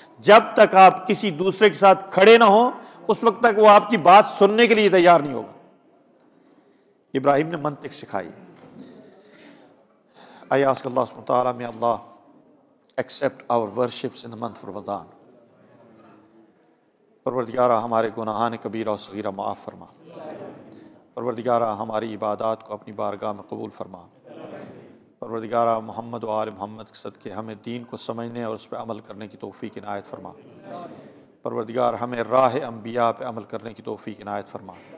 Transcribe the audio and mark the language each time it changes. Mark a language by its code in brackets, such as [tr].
[ur] جب تک آپ کسی دوسرے کے ساتھ کھڑے نہ ہوں اس وقت تک وہ آپ کی بات سننے کے لیے تیار نہیں ہوگا. ابراہیم نے منطق سکھائی. [en] I ask Allah سبحانہ وتعالی, may Allah accept our worships in the month of Ramadan. [ur] پروردگارہ ہمارے گناہان کبیرہ و صغیرہ معاف فرما. پروردگارہ ہماری عبادات کو اپنی بارگاہ میں قبول فرما. پروردگارہ محمد و آل محمد کے صدقے ہمیں دین کو سمجھنے اور اس پہ عمل کرنے کی توفیق عنایت فرما. پروردگار ہمیں راہ انبیاء پہ عمل کرنے کی توفیق عنایت فرما.